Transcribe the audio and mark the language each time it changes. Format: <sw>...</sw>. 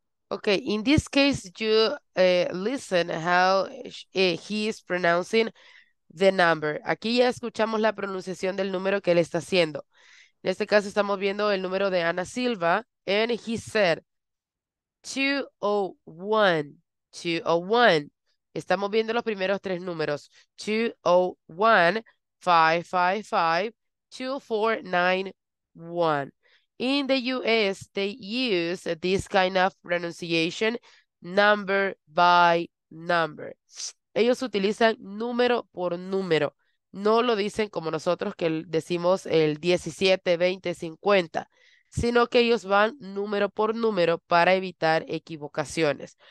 <en>Okay, in this case, you listen how he is pronouncing the number.</en> <es>Aquí ya escuchamos la pronunciación del número que él está haciendo. En este caso, estamos viendo el número de Ana Silva,</es> <en>and he said 201.</en> <es>Estamos viendo los primeros tres números: 201, 555. 2491.</es> <en>In the US, they use this kind of pronunciation, number by number.</en> <es>Ellos utilizan número por número. No lo dicen como nosotros que decimos el 17, 20, 50, sino que ellos van número por número para evitar equivocaciones.</es>